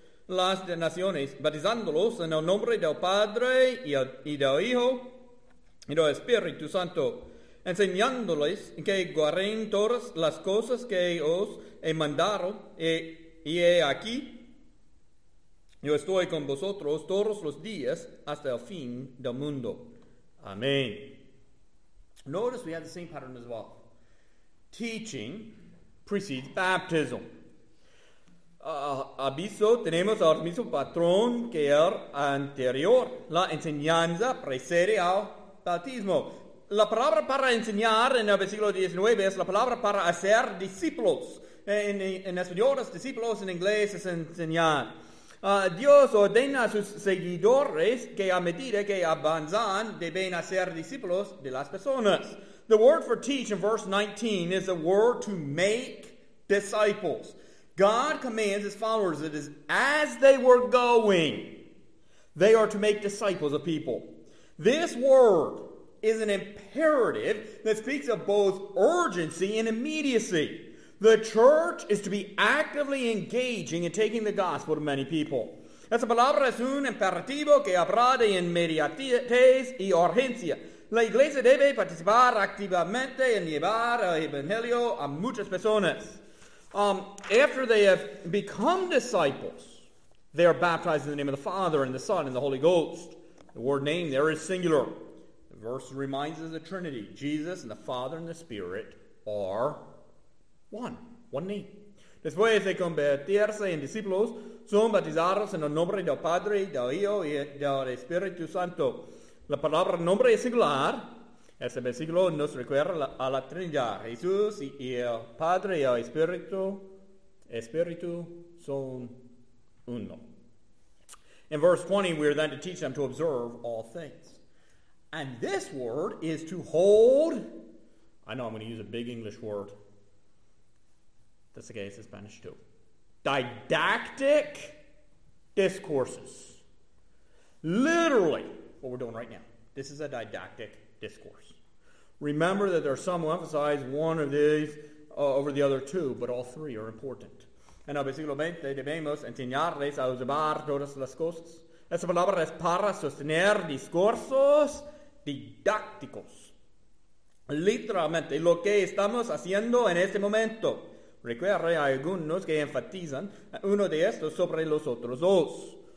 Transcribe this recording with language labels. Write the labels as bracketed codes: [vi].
[es] las naciones, bautizándolos en el nombre del Padre y del Hijo y del Espíritu Santo, enseñándoles que guarden todas las cosas que os he mandado, y he aquí, yo estoy con vosotros todos los días hasta el fin del mundo. Amén. [en] Notice we have the same pattern as well. Teaching precedes baptism. [es] Aviso, tenemos el mismo patrón que el anterior. La enseñanza precede al bautismo. La palabra para enseñar en el versículo 19 es la palabra para hacer discípulos. En español es discípulos, en inglés es enseñar. Dios ordena a sus seguidores que a medida que avanzan deben hacer discípulos de las personas. [en] The word for teach in verse 19 is a word to make disciples. God commands his followers that as they were going, they are to make disciples of people. This word is an imperative that speaks of both urgency and immediacy. The church is to be actively engaging in taking the gospel to many people. [es] Esa palabra es un imperativo que habrá de inmediatez y urgencia. La iglesia debe participar activamente en llevar el evangelio a muchas personas. [en] After they have become disciples, they are baptized in the name of the Father and the Son and the Holy Ghost. The word name there is singular. The verse reminds us of the Trinity. Jesus and the Father and the Spirit are one name. [es] Después de convertirse en discípulos, son bautizados en el nombre del Padre, del Hijo y del Espíritu Santo. La palabra nombre es singular. Este versículo nos recuerda a la Trinidad. Jesús y el Padre y el Espíritu son uno. [en] In verse 20, we are then to teach them to observe all things. And this word is to hold. I know I'm going to use a big English word. That's the case in Spanish too. Didactic discourses. Literally, what we're doing right now. This is a didactic discourse. Remember that there are some who emphasize one of these over the other two, but all three are important. [es] En el versículo 20 debemos enseñarles a observar todas las cosas. Esa palabra es para sostener discursos didácticos. Literalmente, lo que estamos haciendo en este momento. Recuerde, hay algunos que enfatizan uno de estos sobre los otros dos.